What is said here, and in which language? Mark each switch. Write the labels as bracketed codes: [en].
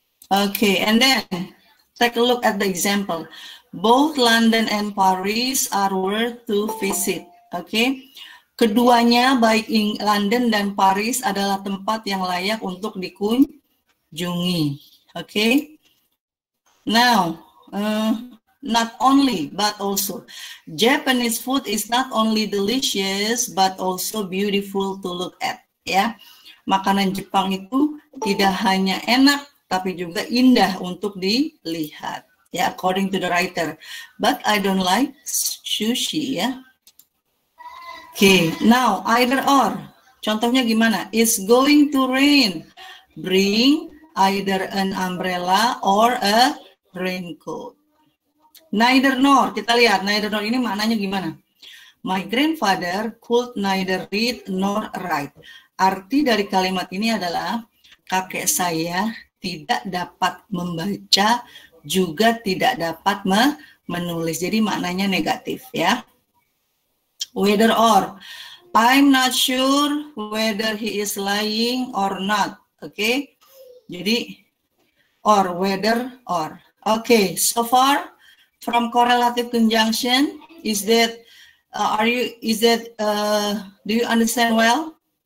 [en] Okay, and then take a look at the example. Both London and Paris are worth to visit. [id] Okay, keduanya baik London dan Paris adalah tempat yang layak untuk dikunjungi. [en] Okay. Now, not only but also, Japanese food is not only delicious but also beautiful to look at. [id] Ya, yeah. Makanan Jepang itu tidak hanya enak tapi juga indah untuk dilihat, ya, yeah, [en] according to the writer. But I don't like sushi, ya. Yeah. Okay, now, either or. [id] Contohnya gimana? [en] It's going to rain. Bring either an umbrella or a raincoat. Neither nor. [id] Kita lihat, neither nor ini maknanya gimana? [en] My grandfather could neither read nor write. [id] Arti dari kalimat ini adalah, kakek saya tidak dapat membaca, juga tidak dapat menulis. Jadi maknanya negatif ya. [en] Whether or, I'm not sure whether he is lying or not. [id] Okay, jadi or, whether or. [en] Okay, so far from correlative conjunction, is that, do you understand well?